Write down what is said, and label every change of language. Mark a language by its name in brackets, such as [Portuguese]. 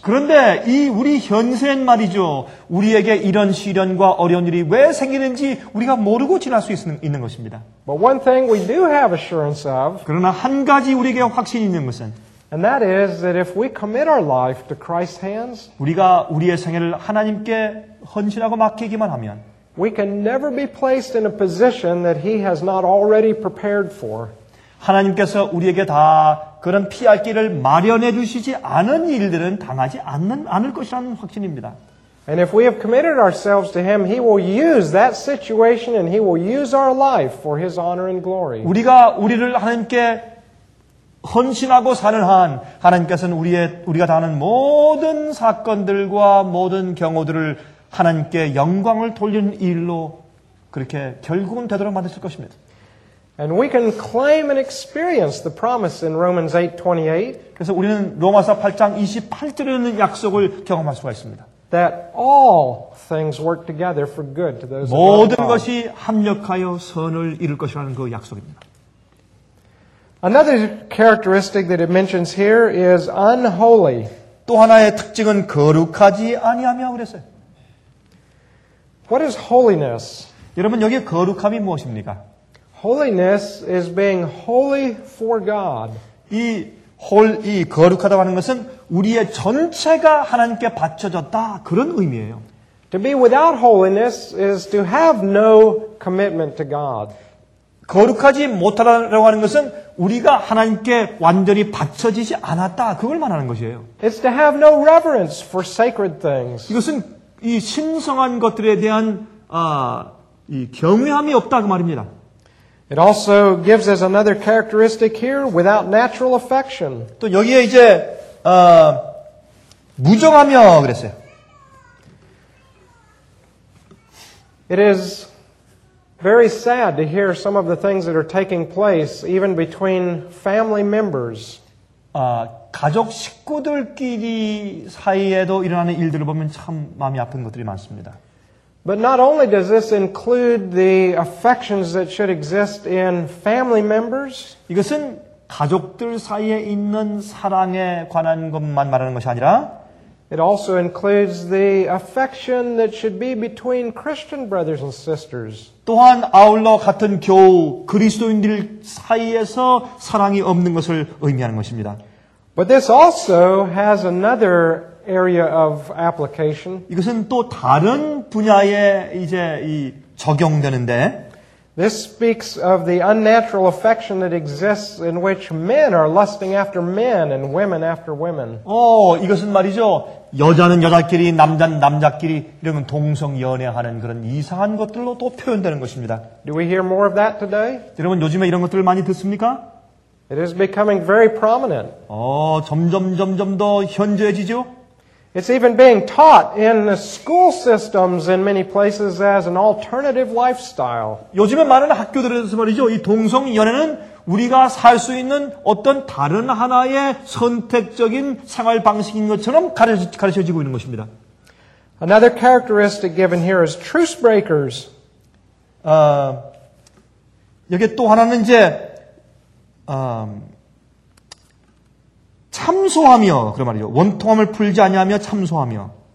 [Korean] 그런데 이 우리 현세엔 말이죠. 우리에게 이런 시련과 어려운 일이 왜 생기는지 우리가 모르고 지날 수 있는 것입니다. [English] But one thing we do have assurance of. [Korean] 그러나 한 가지 우리에게 확신이 있는 것은. [English] And that is that if we commit our life to Christ's hands, [Korean] 우리가 우리의 생애를 하나님께 헌신하고 맡기기만 하면, [English] we can never be placed in a position that He has not already prepared for. [Korean] 하나님께서 우리에게 다 그런 피할 길을 마련해 주시지 않은 일들은 당하지 않을 것이라는 확신입니다. [English] And if we have committed ourselves to Him, He will use that situation and He will use our life for His honor and glory. [Korean] 우리가 우리를 하나님께 헌신하고 사는 한 하나님께서는 우리가 당하는 모든 사건들과 모든 경우들을 하나님께 영광을 돌리는 일로 그렇게 결국은 되도록 만드실 것입니다. [English] And we can claim and experience the promise in Romans 8:28. [Korean] 그래서 우리는 로마서 8장 28절에 있는 약속을 경험할 수가 있습니다. [English] That all things work together for good to those who [Korean] 모든 것이 합력하여 선을 이룰 것이라는 그 약속입니다. [English] Another characteristic that it mentions here is unholy. [Korean] 또 하나의 특징은 거룩하지 아니하며 그랬어요. [English] What is holiness? [Korean] 여러분 여기 거룩함이 무엇입니까? [English] Holiness is being holy for God. [Korean] 이 거룩하다고 하는 것은 우리의 전체가 하나님께 바쳐졌다 그런 의미예요. [English] To be without holiness is to have no commitment to God. [Korean] 거룩하지 못하다고 하는 것은 우리가 하나님께 완전히 바쳐지지 않았다. 그걸 말하는 것이에요. [English] It's to have no reverence for sacred things. [Korean] 이것은 이 신성한 것들에 대한 이 경외함이 없다 그 말입니다. [English] It also gives us another characteristic here, without natural affection. [Korean] 또 여기에 이제 무정하며 그랬어요. [English] It is very sad to hear some of the things that are taking place even between family members. [Korean] 가족 식구들끼리 사이에도 일어나는 일들을 보면 참 마음이 아픈 것들이 많습니다. [English] But not only does this include the affections that should exist in family members. [Korean] 이것은 가족들 사이에 있는 사랑에 관한 것만 말하는 것이 아니라 [English] It also includes the affection that should be between Christian brothers and sisters. [Korean] 또한 아울러 같은 교우 그리스도인들 사이에서 사랑이 없는 것을 의미하는 것입니다. [English] But this also has another area of application. [Korean] 이것은 또 다른 분야에 이제 이 적용되는데 [English] This speaks of the unnatural affection that exists in which men are lusting after men and women after women. [Korean] 이것은 말이죠. 여자는 여자끼리, 남자는 남자끼리 이런 동성 연애하는 그런 이상한 것들로 또 표현되는 것입니다. [English] Do we hear more of that today? [Korean] 여러분 요즘에 이런 것들을 많이 듣습니까? [English] It is becoming very prominent. [Korean] 점점 더 현저해지죠. [English] It's even being taught in the school systems in many places as an alternative lifestyle. [Korean] 요즘에 많은 학교들에서 말이죠. 이 동성 연애는 우리가 살 수 있는 어떤 다른 하나의 선택적인 생활 방식인 것처럼 가르쳐지고 있는 것입니다. [English] Another characteristic given here is truce breakers. [Korean] 여기 또 하나는 이제 참소하며 그런 말이죠. 원통함을 풀지 아니하며 참소하며.